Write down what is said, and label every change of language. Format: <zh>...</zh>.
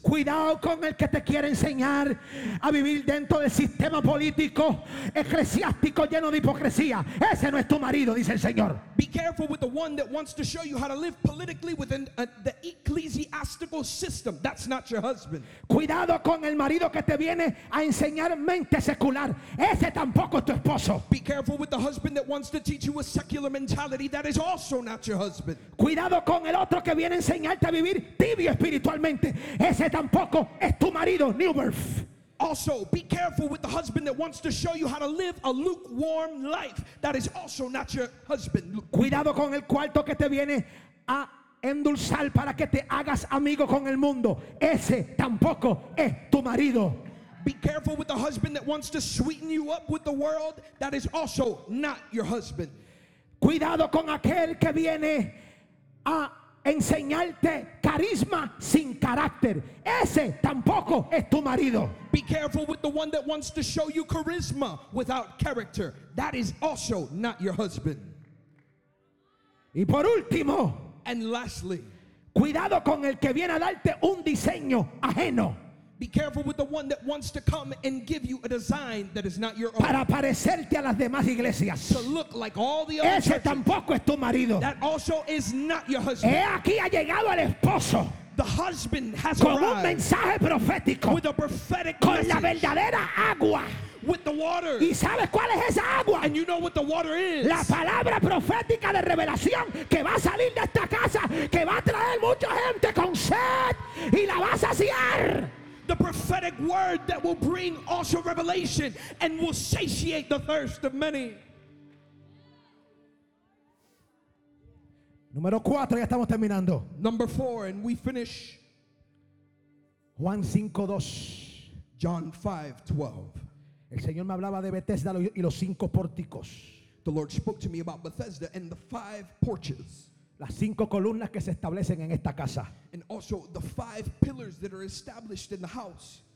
<es>Cuidado con el que te quiere enseñar a vivir dentro del sistema político eclesiástico lleno de hipocresía. Ese no es tu marido, dice el Señor.</es> <en>Be careful with the one that wants to show you how to live politically within the ecclesiastical system. That's not your husband.</en> <es>Cuidado con el marido que te viene a enseñar mente secular. Ese tampoco es tu esposo.</es> <en>Be careful with the husband that wants to teach you a secular mentality. That is also not your husband.</en> <es>Cuidado con el otro que viene a enseñarte a vivir espiritualmente. Ese tampoco es tu marido.</es> <en>New birth. Also, be careful with the husband that wants to show you how to live a lukewarm life. That is also not your husband.</en> <es>Cuidado con el cuarto que te viene a endulzar para que te hagas amigo con el mundo. Ese tampoco es tu marido.</es> <en>Be careful with the husband that wants to sweeten you up with the world. That is also not your husband.</en> <es>Cuidado con aquel que viene a enseñarte carisma sin carácter. Ese tampoco es tu marido.</es> <en>Be careful with the one that wants to show you charisma without character. That is also not your husband.</en> <es>Y por último,</es> <en>and lastly,</en> <es>cuidado con el que viene a darte un diseño ajeno.</es> <en>Be careful with the one that wants to come and give you a design that is not your own.</en> <es>Para parecerte a las demás iglesias.</es> <en>To look like all the other</en> <es>ese tampoco</es> <en>churches.</en> <es>Es tu marido.</es> <en>That also is not your husband.</en> <es>He aquí ha llegado el esposo.</es> <en>The husband has</en> <es>con</es> <en>arrived.</en> <es>Un mensaje profético.</es> <en>With a prophetic</en> <es>con</es> <en>message.</en> <es>La verdadera agua.</es> <en>With the water.</en> <es>¿Y sabes cuál es esa agua?</es> <en>And you know what the water is.</en> <es>La palabra profética de revelación que va a salir de esta casa, que va a traer mucha gente con sed y la va a saciar.</es> <en>The prophetic word that will bring also revelation and will satiate the thirst of many.</en> <es>Número 4, ya estamos terminando.</es> <en>Number 4, and we finish.</en> <es>Juan 5:2.</es> <en>John 5:12.</en> <es>El Señor me hablaba de Bethesda y los cinco pórticos.</es> <en>The Lord spoke to me about Bethesda and the five porches.</en> <es>Las cinco columnas que se establecen en esta casa.</es> <en>And also the five pillars that are established in the house.</en>